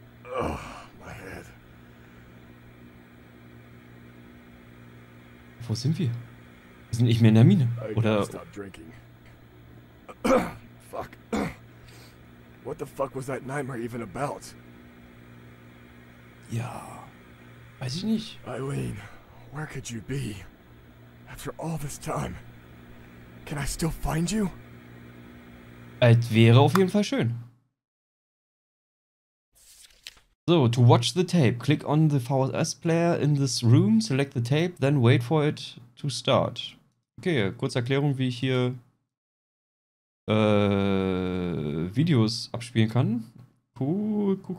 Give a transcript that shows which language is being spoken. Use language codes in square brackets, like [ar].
[en] Oh, my head. [de] Wo sind wir? Wir sind nicht mehr in der Mine, oder? [en] Fuck. What the fuck was that nightmare even about? [de] Ja, weiß ich nicht. [en] Eileen, where could you be? After all this time, can I still find you? [de] Es wäre auf jeden Fall schön. [en] So, to watch the tape, click on the VHS player in this room, select the tape, then wait for it to start. [de] Okay, kurze Erklärung, wie ich hier Videos abspielen kann. Cool.